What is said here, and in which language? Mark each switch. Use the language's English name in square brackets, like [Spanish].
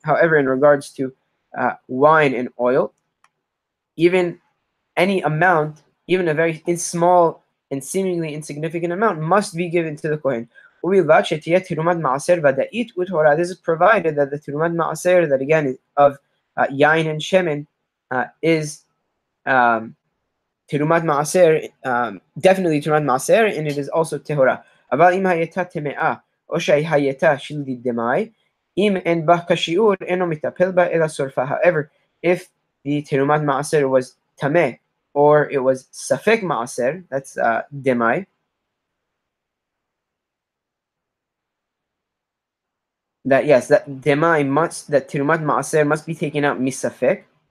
[English] However, in regards to wine and oil, even any amount, even a very small and seemingly insignificant amount, must be given to the kohen. [Hebrew] Uvilvad shetiyeh terumat ma'aser vada'it utora. [English] This is provided that the terumat ma'aser, that again is of yain and shemen, is terumat ma'aser, definitely terumat ma'aser, and it is also tehora. [Hebrew] אבל אם הייתה טמאה, או שהייתה של דמאי, אם אין בה כשיעור, אינו מטפל בה אלא שורפה. [English] However, if the terumat ma'aser was tame, or it was safek ma'aser, that's demai, that yes, that demai must, that terumat ma'aser must be taken out misafek.